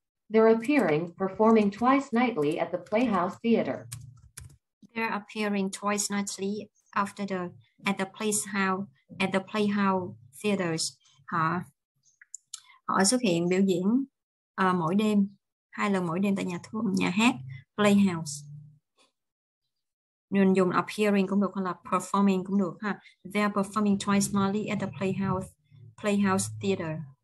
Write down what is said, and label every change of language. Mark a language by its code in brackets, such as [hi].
[en] They're appearing, performing twice nightly at the Playhouse Theater. They're appearing twice nightly after the at the place how at the Playhouse Theaters. [vi] Họ họ xuất hiện biểu diễn mỗi đêm hai lần mỗi đêm tại nhà hát Playhouse. Nên dùng appearing cũng được hoặc là performing cũng được ha. [en] They're performing twice nightly at the Playhouse Theater.